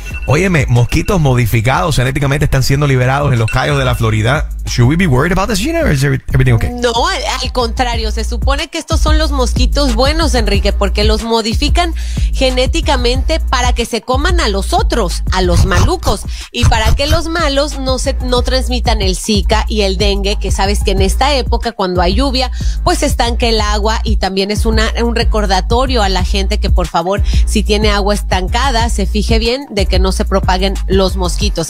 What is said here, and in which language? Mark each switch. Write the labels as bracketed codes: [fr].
[es] Óyeme, mosquitos modificados genéticamente están siendo liberados en los cayos de la Florida. [en] Should we be worried about this, Gina, or is everything okay? [es] No, al contrario, se supone que estos son los mosquitos buenos, Enrique, porque los modifican genéticamente para que se coman a los otros, a los malucos, y para que los malos no transmitan el Zika y el dengue, que sabes que en esta época, cuando hay lluvia, pues estanca el agua, y también es un recordatorio a la gente que, por favor, si tiene agua estancada, se fije bien de que no se propaguen los mosquitos.